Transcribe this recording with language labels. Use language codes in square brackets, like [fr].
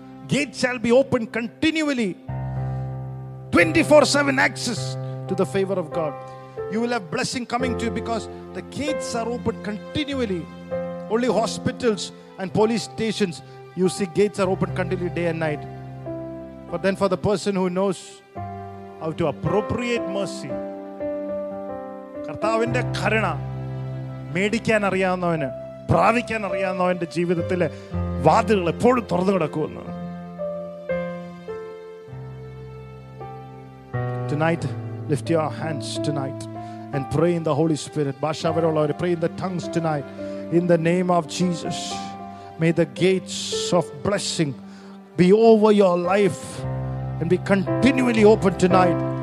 [en] Gate shall be opened continually. 24/7 access to the favor of God. You will have blessing coming to you because the gates are opened continually. Only hospitals and police stations, you see, gates are open continually day and night. But then for the person who knows how to appropriate mercy, [ml] കർത്താവിന്റെ കരുണ മേടിക്കാൻ അറിയാവുന്നവന്, പ്രാപിക്കാൻ അറിയാവുന്നവന്റെ ജീവിതത്തിലെ വാതിലുകൾ എപ്പോഴും തുറന്നു കിടക്കുമെന്ന്. [en] Tonight, lift your hands tonight and pray in the Holy Spirit. [ml] ഭാഷാവരുള്ളവരെ, [en] pray in the tongues tonight. In the name of Jesus, may the gates of blessing be over your life and be continually open tonight.